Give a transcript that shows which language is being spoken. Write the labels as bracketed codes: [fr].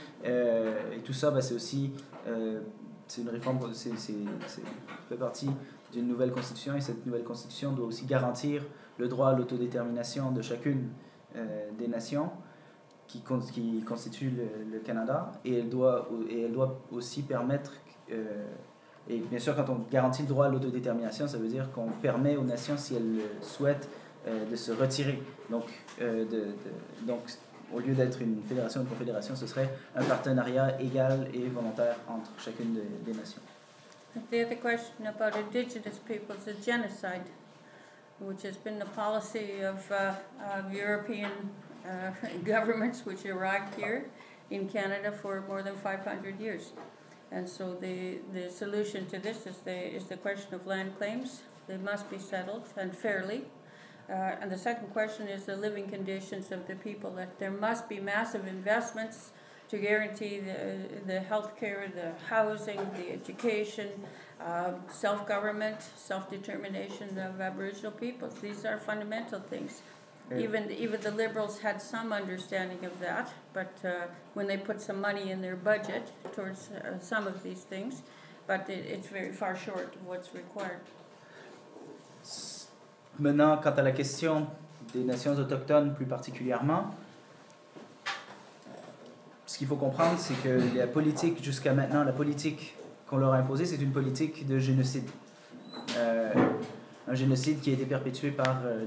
[fr] Et tout ça, c'est aussi... c'est une réforme, c'est fait partie d'une nouvelle constitution, et cette nouvelle constitution doit aussi garantir le droit à l'autodétermination de chacune des nations qui constituent le Canada, et elle doit aussi permettre et bien sûr quand on garantit le droit à l'autodétermination, ça veut dire qu'on permet aux nations, si elles le souhaitent, de se retirer. Donc donc au lieu d'être une fédération ou une confédération, ce serait un partenariat égal et volontaire entre chacune des nations. [en] The other question about indigenous peoples is genocide, which has been the policy of European governments which arrived here in Canada for more than 500 years. And so the solution to this is the question of land claims. They must be settled, and fairly. And the second question is the living conditions of the people. That there must be massive investments to guarantee the health care, the housing, the education, self-government, self-determination of Aboriginal peoples. These are fundamental things. Yeah. Even the Liberals had some understanding of that, but when they put some money in their budget towards some of these things, but it's very far short of what's required. [fr] Maintenant, quant à la question des nations autochtones plus particulièrement, ce qu'il faut comprendre, c'est que la politique jusqu'à maintenant, la politique qu'on leur a imposée, c'est une politique de génocide. Un génocide qui a été perpétué par